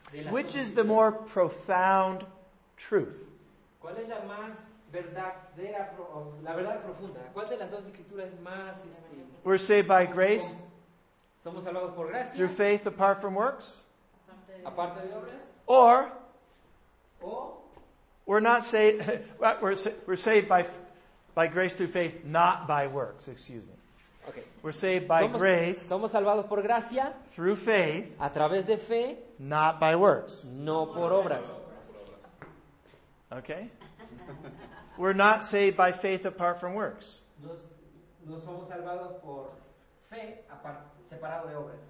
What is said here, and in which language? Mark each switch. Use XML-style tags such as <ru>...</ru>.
<en>Which is the more profound truth?</en> <es>¿Cuál es la más verdadera, la verdad profunda? ¿Cuál de las dos escrituras más</es> <en>we're saved by grace?</en> <es>Somos salvados por gracia.</es> <en>Through faith apart from works?</en> <es>Aparte de obras.</es> <en>Or oh, we're not saved we're saved by grace through faith, not by works, excuse me. Okay. We're saved by grace.</en> <es>Somos salvados por gracia.</es> <en>Through faith.</en> <es>A través de fe.</es> <en>Not by works.</en> <es>No por obras.</es> <en>Okay? We're not saved by faith apart from works.</en> <es>Nos somos salvados por fe, separado de obras.</es>